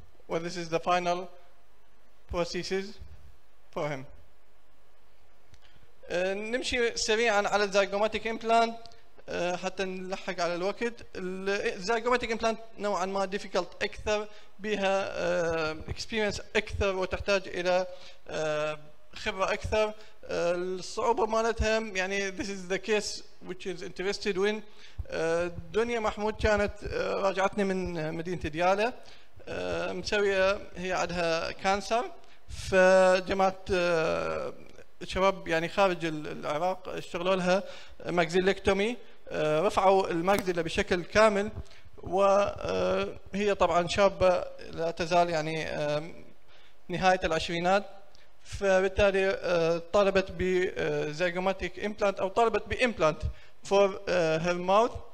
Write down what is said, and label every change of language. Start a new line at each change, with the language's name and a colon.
English: Well, this is the final prosthesis for him.
Arabic: نمشي سريعا على الزيجوماتيك implant حتى نلحق على الوقت. الزيجوماتيك implant نوعا ما
English: difficult
Arabic: أكثر، بها experience اكثر وتحتاج الى خبره اكثر. الصعوبه مالتها يعني
English: this is the case which is interested in
Arabic: دنيا محمود كانت رجعتني من مدينة ديالى مسوية، هي عندها كانسر، فجماعة شباب يعني خارج العراق اشتغلوا لها ماكزيلكتومي، رفعوا الماكزيلا بشكل كامل، وهي طبعا شابة لا تزال يعني نهاية العشرينات، فبالتالي طالبت بزيجوماتيك إمبلانت أو طالبت بإمبلانت
English: For her mouth.